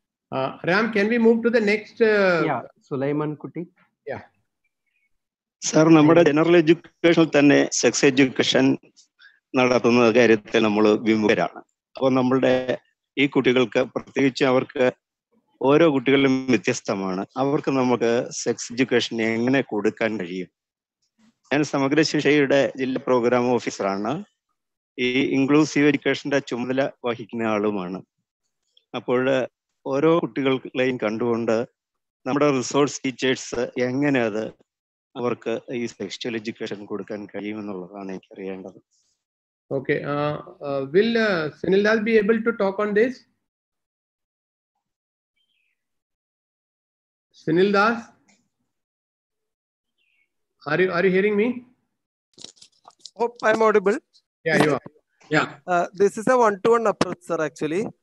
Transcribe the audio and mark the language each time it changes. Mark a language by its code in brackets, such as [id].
[en] Ram, can we move to the next? Yeah, Sulaiman Kutty. Yeah. [ml] Sir, നമ്മുടെ general education തന്നെ sex education നടത്തുന്ന കാര്യത്തിൽ നമ്മൾ വിമുഖരാണ്. അപ്പോൾ നമ്മുടെ ഈ കുട്ടികൾക്ക്, പ്രത്യേകിച്ച് അവർക്ക്, ഓരോ കുട്ടികളും വ്യത്യസ്തമാണ്, അവർക്ക് നമുക്ക് സെക്സ് എഡ്യൂക്കേഷൻ എങ്ങനെ കൊടുക്കാൻ കഴിയും? ഞാൻ സമഗ്ര ശിക്ഷയുടെ ജില്ലാ പ്രോഗ്രാം ഓഫീസറാണ്, ഈ ഇൻക്ലൂസീവ് എഡ്യൂക്കേഷന്റെ ചുമതല വഹിക്കുന്ന ആളുമാണ്. അപ്പോൾ ഓരോ കുട്ടികളെയും കണ്ടുകൊണ്ട് നമ്മുടെ റിസോഴ്സ് ടീച്ചേഴ്സ് എങ്ങനെ അത് അവർക്ക് ഈ സെക്ഷൽ എഡ്യൂക്കേഷൻ കൊടുക്കാൻ കഴിയുമെന്നുള്ളതാണ് എനിക്ക് അറിയേണ്ടത്. [en] Okay, will Sunil Das be able to talk on this? Sunil Das, Are you hearing me? Hope I'm audible. Yeah, you are. Yeah. This is a one-to-one approach, sir, actually.